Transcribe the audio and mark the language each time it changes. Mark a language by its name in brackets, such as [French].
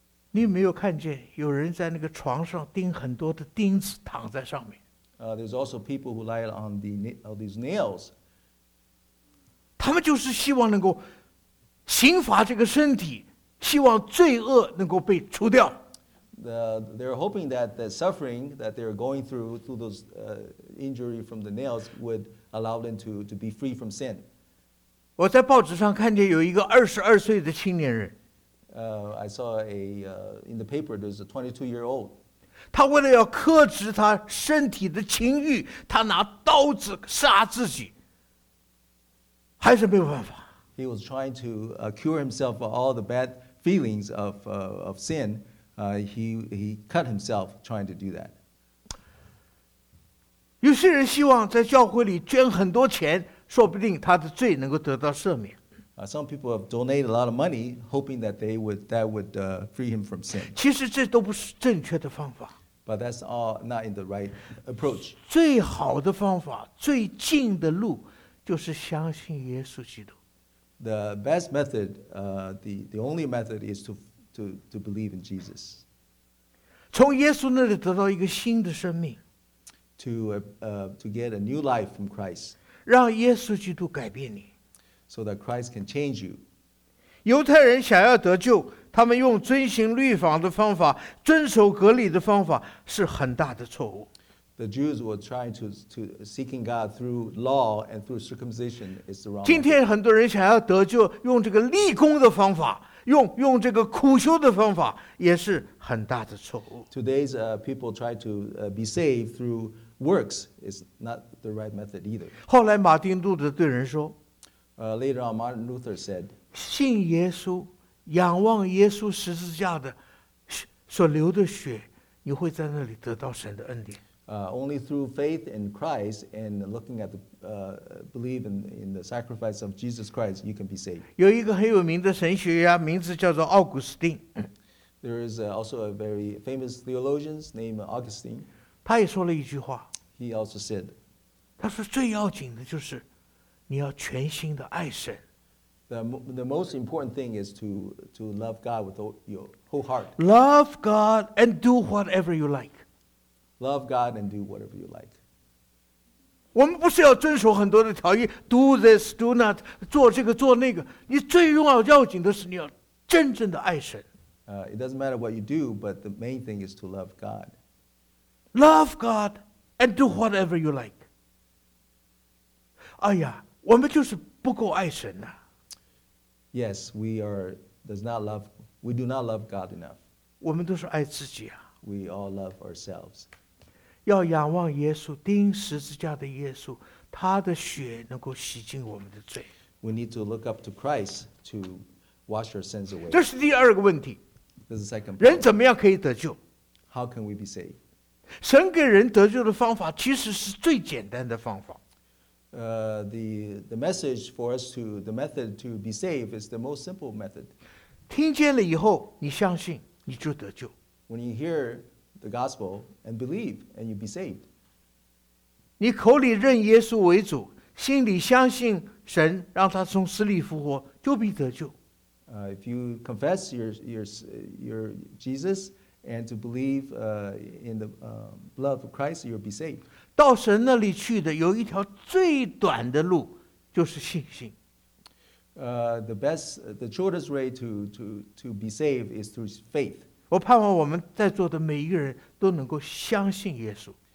[Chinese] 你没有看见有人在那个床上钉很多的钉子躺在上面。 [English] There's also people who lie on these nails. [Chinese] 他们就是希望能够刑罚这个身体，希望罪恶能够被除掉。 [English] They're hoping that the suffering that they're going through those injury from the nails would allow them to be free from sin. [Chinese] 我在报纸上看见有一个二十二岁的青年人。 [English] I saw in the paper there's a 22-year-old. [Chinese] 他为了要克制他身体的情欲，他拿刀子杀自己，还是没有办法。 [English] He was trying to cure himself of all the bad feelings of sin. He cut himself trying to do that. [Chinese] 有些人希望在教会里捐很多钱，说不定他的罪能够得到赦免。 [English] Some people have donated a lot of money, hoping that that would free him from sin. [Chinese] 其实这都不是正确的方法。 [English] But that's all not in the right approach. [Chinese] 最好的方法，最近的路，就是相信耶稣基督。 [English] The best method, the only method is to believe in Jesus. [Chinese] 从耶稣那里得到一个新的生命。 [English] To get a new life from Christ. [Chinese] 让耶稣基督改变你。 [English] So that Christ can change you. [Chinese] 犹太人想要得救，他们用遵行律法的方法，遵守隔离的方法，是很大的错误。 [English] The Jews were trying to seeking God through law and through circumcision is the wrong. [Chinese] 今天很多人想要得救，用这个立功的方法，用这个苦修的方法，也是很大的错误。 [English] Today's people try to be saved through works is not the right method either. [Chinese] 后来马丁路德对人说 [English] ，Later on, Martin Luther said, [Chinese] 信耶稣，仰望耶稣十字架的所流的血，你会在那里得到神的恩典。 [English] Only through faith in Christ and looking at the believe in the sacrifice of Jesus Christ, you can be saved. [Chinese] 有一个很有名的神学家，名字叫做奥古斯丁。 [English] There is also a very famous theologian named Augustine. [Chinese] 他也说了一句话。 [English] He also said, [Chinese] 他说最要紧的就是你要全心的爱神。 [English] The most important thing is to love God with your whole heart. Love God and do whatever you like. Love God and do whatever you like. [Chinese] 我们不是要遵守很多的条约 ， [English] do this, do not, [Chinese] 做这个做那个。你最要紧的是你要真正的爱神。 [English] It doesn't matter what you do, but the main thing is to love God. Love God and do whatever you like. [Chinese] 哎呀，我们就是不够爱神呐。 [English] Yes, we do not love God enough. [Chinese] 我们都是爱自己啊。 [English] We all love ourselves. [Chinese] 要仰望耶稣，钉十字架的耶稣，他的血能够洗净我们的罪。 [English] We need to look up to Christ to wash our sins away. [Chinese] 这是第二个问题。 [English] This is the second. [Chinese] 人怎么样可以得救 [English] ？How can we be saved? [Chinese] 神给人得救的方法其实是最简单的方法。 [English] The message for us to the method to be saved is the most simple method. [Chinese] 听见了以后，你相信，你就得救。 [English] When you hear. The gospel and believe and you'll be saved. [Chinese] 你口里认耶稣为主，心里相信神让他从死里复活，就必得救。 [English] If you confess your Jesus and to believe in the blood of Christ, you'll be saved. [Chinese] 到神那里去的有一条最短的路，就是信心。 [English] The shortest way to be saved is through faith. [Chinese] 我盼望我们在座的每一个人都能够相信耶稣。